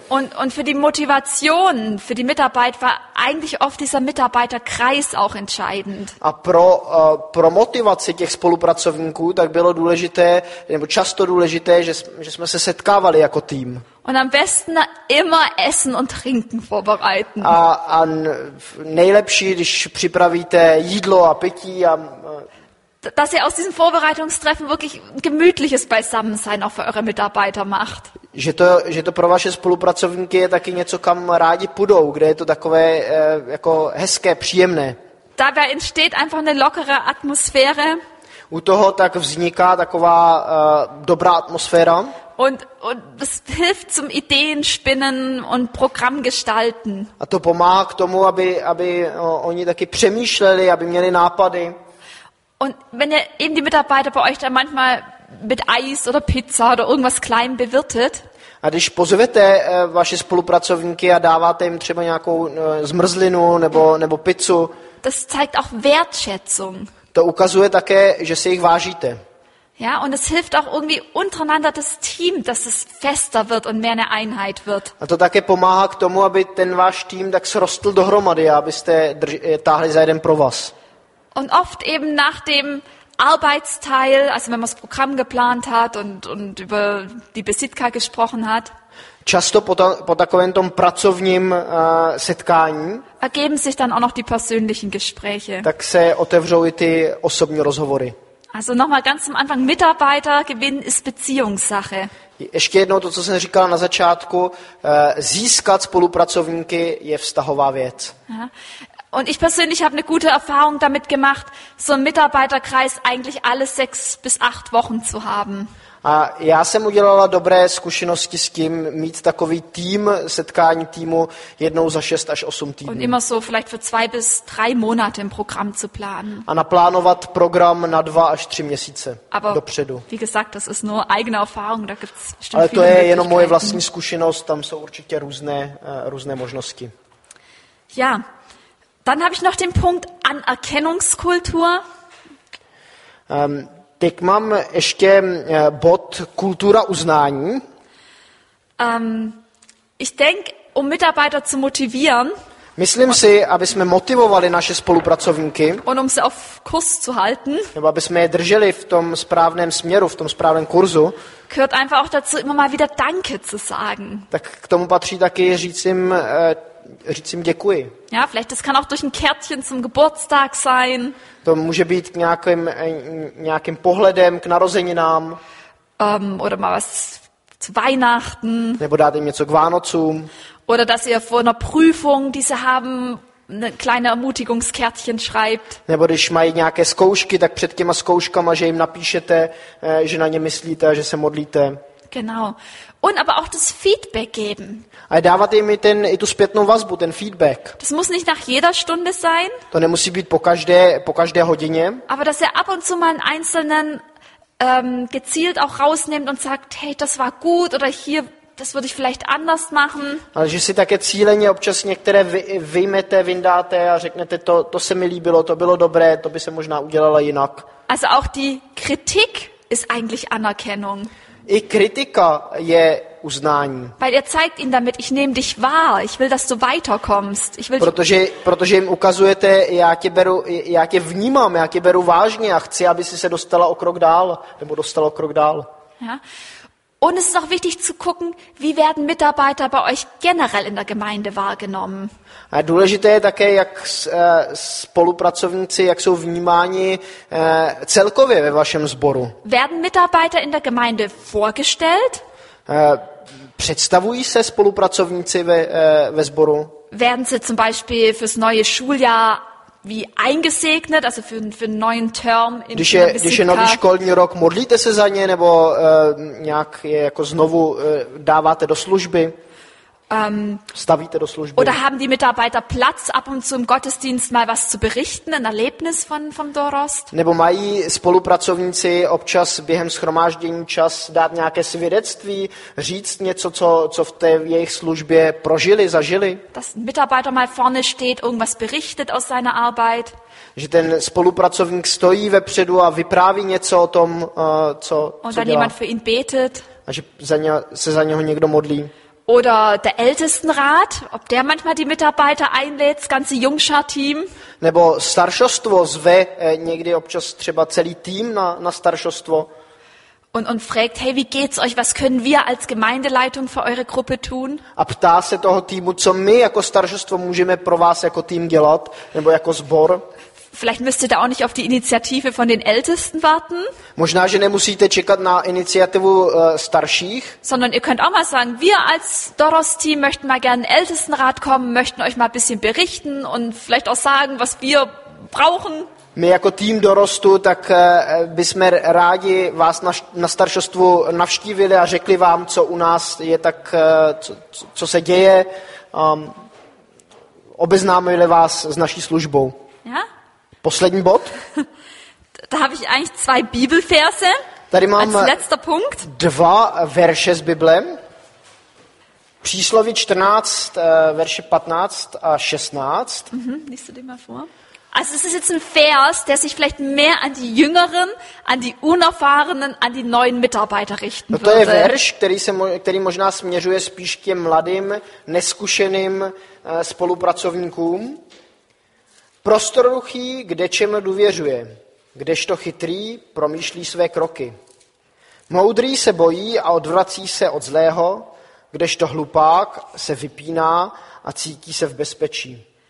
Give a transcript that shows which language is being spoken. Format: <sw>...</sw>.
<de>Und für die Motivation, für die Mitarbeit war eigentlich oft dieser Mitarbeiterkreis auch entscheidend.</de> <cs>A pro motivaci těch spolupracovníků tak bylo důležité, nebo často důležité, že jsme se setkávali jako tým.</cs> <de>Und am besten immer essen und trinken vorbereiten.</de> <cs>A nejlepší, když připravíte jídlo a pití a</cs> <de>dass ihr aus diesem Vorbereitungstreffen wirklich gemütliches Beisammensein auch für eure Mitarbeiter macht.</de> <cs>Že to pro vaše spolupracovníky je taky něco, kam rádi půjdou, kde je to takové jako hezké, příjemné.</cs> <de>Dabei entsteht einfach eine lockere Atmosphäre.</de> <cs>U toho tak vzniká taková dobrá atmosféra.</cs> <de>Und das hilft zum Ideenspinnen und Programm gestalten.</de> <cs>A to pomáhá k tomu, aby oni taky přemýšleli, aby měli nápady.</cs> <de>Und wenn ihr eben die Mitarbeiter bei euch dann manchmal mit Eis oder Pizza oder irgendwas klein bewirtet.</de> <cs>A když pozvete vaše spolupracovníky a dáváte jim třeba nějakou zmrzlinu nebo pizzu.</cs> <de>Das zeigt auch Wertschätzung.</de> <cs>To ukazuje také, že si jich vážíte.</cs> <de>Ja, und es hilft auch irgendwie untereinander das Team, dass es fester wird und mehr eine Einheit wird.</de> <cs>A to také pomáhá k tomu, aby ten váš tým tak srostl dohromady, abyste táhli za jeden provaz.</cs> <de>Und oft eben nach dem Arbeitsteil, also wenn man das Programm geplant hat und über die Besitka gesprochen hat.</de> <cs>Často po takovém tom pracovním setkání.</cs> <de>Ergeben sich dann auch noch die persönlichen Gespräche.</de> <cs>Tak se otevřou i ty osobní rozhovory.</cs> <de>Also nochmal ganz am Anfang, Mitarbeiter gewinnen ist Beziehungssache.</de> <cs>Ještě jednou to, co jsem říkala na začátku, získat spolupracovníky je vztahová věc.</cs> <de>Und ich persönlich habe eine gute Erfahrung damit gemacht, so einen Mitarbeiterkreis eigentlich alle 6 bis 8 Wochen zu haben.</de> <cs>A já jsem udělala dobré zkušenosti s tím, mít takový tým, setkání týmu jednou za 6 až 8 týdnů.</cs> <de>Und immer so vielleicht für 2 bis 3 Monate im Programm zu planen.</de> <cs>A naplánovat program na 2 až 3 měsíce</cs> <de>Aber</de> <cs>dopředu.</cs> <de>Wie gesagt, das ist nur eigene Erfahrung, da gibt's bestimmt viele.</de> <cs>Ale to je jenom moje vlastní zkušenost, tam jsou určitě různé možnosti.</cs> <de>Ja. Dann habe ich noch den Punkt Anerkennungskultur.</de> <cs>Teď mám ještě bod kultura uznání.</cs> <de>Ich denke, um Mitarbeiter zu motivieren.</de> <cs>Myslím si, aby jsme motivovali naše spolupracovníky.</cs> <de>Und um sie auf Kurs zu halten.</de> <cs>Nebo aby jsme je drželi v tom správném směru, v tom správném kurzu.</cs> <de>Gehört einfach auch dazu, immer mal wieder Danke zu sagen.</de> <cs>Tak k tomu patří taky říct jim děkuji.</cs> <de>Ja, vielleicht das kann auch durch ein Kärtchen zum Geburtstag sein.</de> <cs>To může být nějakým pohledem k narozeninám.</cs> <de>Oder mal was zu Weihnachten.</de> <cs>Nebo dát jim něco k Vánocům.</cs> <de>Oder dass ihr vor einer Prüfung, die sie haben, kleine Ermutigungskärtchen schreibt.</de> <cs>Nebo když mají nějaké zkoušky, tak před těma zkouškama, že jim napíšete, že na ně myslíte, že se modlíte.</cs> <de>Genau. Und aber auch das Feedback geben.</de> <cs>A dávat jim i tu zpětnou vazbu, ten feedback.</cs> <de>Das muss nicht nach jeder Stunde sein.</de> <cs>To nemusí být po každé hodině.</cs> <de>Aber dass er ab und zu mal einen einzelnen gezielt auch rausnimmt und sagt, hey, das war gut oder hier, das würde ich vielleicht anders machen.</de> <cs>Ale že si také cíleně občas některé vyjmete, vyndáte a řeknete, to se mi líbilo, to bylo dobré, to by se možná udělala jinak.</cs> <de>Also auch die Kritik ist eigentlich Anerkennung.</de> <cs>I kritika je uznání.</cs> <de>Weil er zeigt ihn damit, ich nehme dich wahr, ich will, dass du weiterkommst.</de> <cs>Protože jim ukazujete, já tě vnímám, já tě beru vážně a chci, aby si se dostala o krok dál, nebo dostala o krok dál.</cs> <de>Ja. Und es ist auch wichtig zu gucken, wie werden Mitarbeiter bei euch generell in der Gemeinde wahrgenommen.</de> <cs>A důležité je také, jak spolupracovníci, jak jsou vnímáni celkově ve vašem sboru.</cs> <de>Werden Mitarbeiter in der Gemeinde vorgestellt?</de> <cs>Představují se spolupracovníci ve sboru?</cs> <de>Werden sie zum Beispiel fürs neue Schuljahr wie eingesegnet, also für einen neuen Term in der Visita.</de> <cs>Když je nový školní rok, modlíte se za ně, nebo nějak je jako znovu dáváte do služby? Stavíte do služby?</cs> <de>Oder haben die Mitarbeiter Platz ab und zu im Gottesdienst mal was zu berichten, ein Erlebnis von Dorost?</de> <cs>Nebo mají spolupracovníci občas během shromáždění čas dát nějaké svědectví, říct něco, co v té jejich službě prožili, zažili?</cs> <de>Dass ein Mitarbeiter mal vorne steht, irgendwas berichtet aus seiner Arbeit.</de> <cs>Že ten spolupracovník stojí vepředu a vypráví něco o tom, co dělá.</cs> <de>Und dann jemand für ihn betet.</de> <cs>A že za něho někdo modlí.</cs> <de>Oder der Ältestenrat, ob der manchmal die Mitarbeiter einlädt, das ganze Jungschar-Team.</de> <cs>Nebo staršostvo zve někdy občas třeba celý tým na staršostvo.</cs> <de>Und fragt, hey, wie geht's euch, was können wir als Gemeindeleitung für eure Gruppe tun?</de> <cs>A ptá se toho týmu, co my jako staršostvo můžeme pro vás jako tým dělat, nebo jako sbor.</cs> <de>Vielleicht müsst ihr da auch nicht auf die Initiative von den Ältesten warten.</de> <cs>Možná, že nemusíte čekat na iniciativu starších.</cs> <de>Sondern ihr könnt auch mal sagen, wir als Doros-Team möchten mal gerne in den Ältestenrat kommen, möchten euch mal ein bisschen berichten und vielleicht auch sagen, was wir brauchen.</de> <cs>My jako tým dorostu, tak bychom rádi vás na staršostvu navštívili a řekli vám, co u nás je tak, co se děje. Obeznámili vás s naší službou.</cs> <de>Ja?</de> <cs>Poslední bod.</cs> <de>Da habe ich eigentlich zwei Bibelverse.</de> <cs>Tady mám</cs> <de>als letzter Punkt.</de> <cs>Dva verše z Bible. Přísloví 14, verše 15 a 16.</cs> <de>Liest du den mal vor? Also es ist jetzt ein Vers, der sich vielleicht mehr an die Jüngeren, an die Unerfahrenen, an die neuen Mitarbeiter richten würde.</de> <cs>No to je verš, který možná směřuje spíš k těm mladým, neskušeným spolupracovníkům. Prostoruchý, kdečem důvěřuje, kdežto chytrý promýšlí své kroky. Moudrý se bojí a odvrací se od zlého, kdežto hlupák se vypíná a cítí se v bezpečí.</cs>